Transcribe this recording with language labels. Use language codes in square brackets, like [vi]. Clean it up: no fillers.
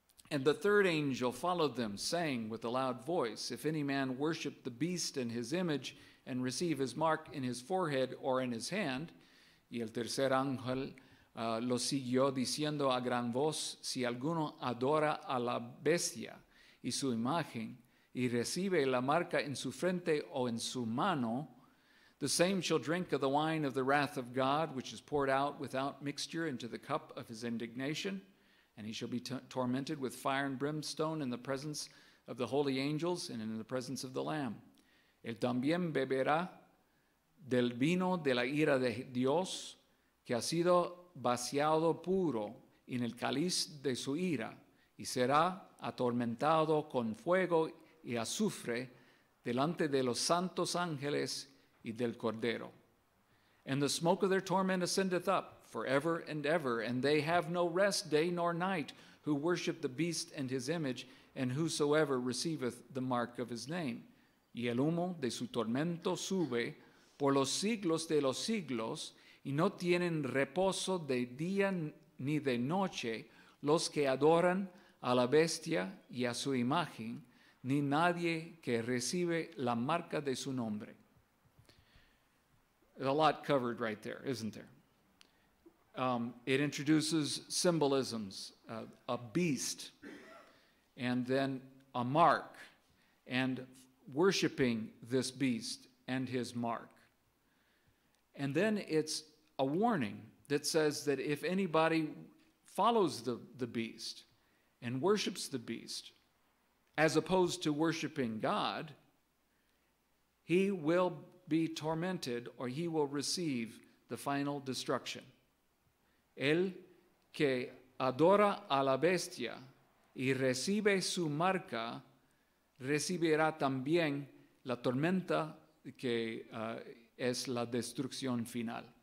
[en] And the third angel followed them, saying with a loud voice, if any man worship the beast in his image and receive his mark in his forehead or in his hand, [es] y el tercer ángel lo siguió diciendo a gran voz, si alguno adora a la bestia y su imagen y recibe la marca en su frente o en su mano, [en] the same shall drink of the wine of the wrath of God, which is poured out without mixture into the cup of his indignation. And he shall be tormented with fire and brimstone in the presence of the holy angels and in the presence of the Lamb. [es] Él también beberá del vino de la ira de Dios, que ha sido vaciado puro en el cáliz de su ira, y será atormentado con fuego y azufre delante de los santos ángeles y del Cordero. [en] And the smoke of their torment ascendeth up forever and ever, and they have no rest day nor night, who worship the beast and his image, and whosoever receiveth the mark of his name. [es] Y el humo de su tormento sube por los siglos de los siglos, y no tienen reposo de día ni de noche los que adoran a la bestia y a su imagen, ni nadie que recibe la marca de su nombre. [en] There's a lot covered right there, isn't there? It introduces symbolisms, a beast, and then a mark, and worshiping this beast and his mark. And then it's a warning that says that if anybody follows the beast and worships the beast, as opposed to worshiping God, he will be tormented, or he will receive the final destruction. [es] El que adora a la bestia y recibe su marca recibirá también la tormenta que es la destrucción final.